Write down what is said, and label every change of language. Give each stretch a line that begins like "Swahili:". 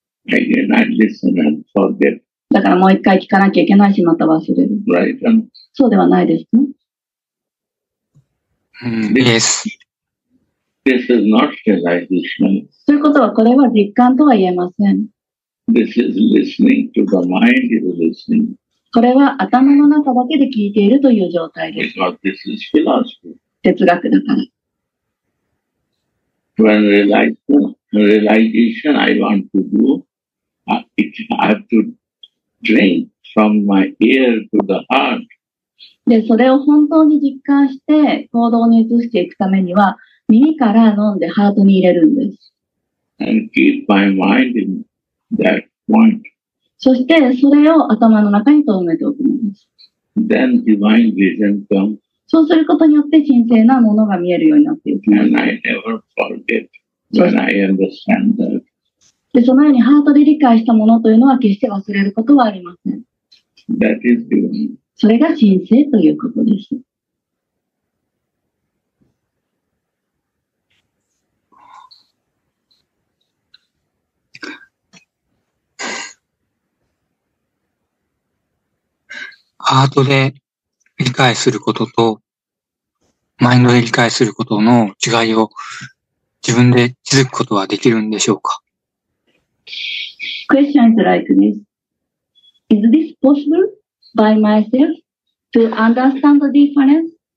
English: I listen and forget.
Japanese: だからもう一回聞かなきゃいけないし、また忘れる。
English: Right.
Japanese: そうではないですか、
English: Yes. This is not realization.
Japanese: そういうことは、これは実感とは言えません。
English: This is listening to the mind is listening.
Japanese: これは頭の中だけで聞いているという状態です。
English: Because this is philosophy.
Japanese: 哲学だから。
English: When realization I want to do, I have to drink from my ear to the heart.
Japanese: で、それを本当に実感して行動に移していくためには、耳から飲んでハートに入れるんです。
English: And keep my mind in that point.
Japanese: そしてそれを頭の中に留めておくんです。
English: Then divine vision comes.
Japanese: そうすることによって神聖なものが見えるようになっていく。
English: And I never forget. When I understand that.
Japanese: で、そのようにハートで理解したものというのは決して忘れることはありません。
English: That is divine.
Japanese: それが神聖ということです。ハートで理解することとマインドで理解することの違いを自分で気づくことはできるんでしょうか?
English: Question is like this. Is this possible by myself to understand the difference?